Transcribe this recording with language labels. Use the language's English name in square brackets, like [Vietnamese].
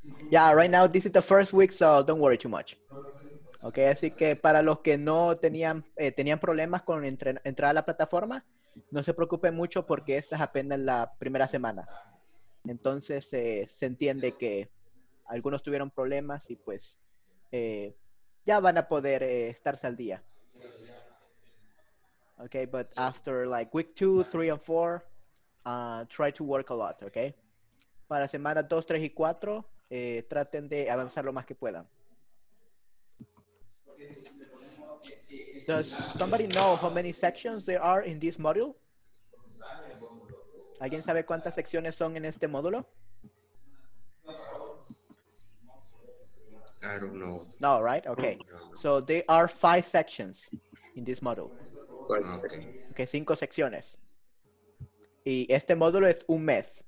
[English] Yeah, right now this is the first week, so don't worry too much. [Spanish] Okay, así que para los que no tenían, tenían problemas con entrar a la plataforma, no se preocupen mucho porque esta es apenas la primera semana. Entonces se entiende que algunos tuvieron problemas y pues ya van a poder estarse al día. [English] Okay, but after like week 2, 3, and 4, try to work a lot, okay? [Spanish] Para semana 2, 3, y 4, traten de avanzar lo más que puedan. [English] Does somebody know how many sections there are in this module? [Spanish] ¿Alguien sabe cuántas secciones son en este módulo? [English] I don't know. No, right? Okay. So there are 5 sections in this module. Okay, [Spanish] 5 secciones. Y este módulo es un mes.